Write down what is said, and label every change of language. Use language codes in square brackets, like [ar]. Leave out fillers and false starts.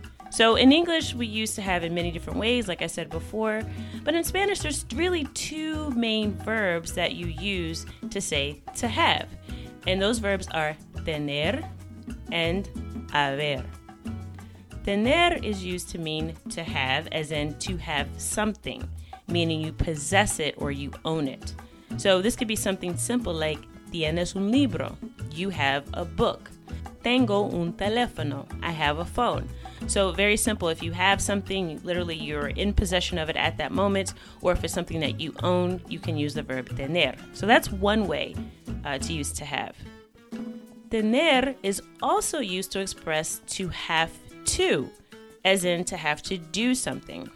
[en] So in English, we use to have in many different ways, like I said before, but in Spanish, there's really two main verbs that you use to say to have, and those verbs are tener and haber. Tener is used to mean to have, as in to have something, meaning you possess it or you own it. So this could be something simple like [es] tienes un libro, [en] you have a book. [es] Tengo un teléfono, [en] I have a phone. So very simple, if you have something, literally you're in possession of it at that moment, or if it's something that you own, you can use the verb tener. So that's one way to use to have. tener is also used to express to have to, as in to have to do something.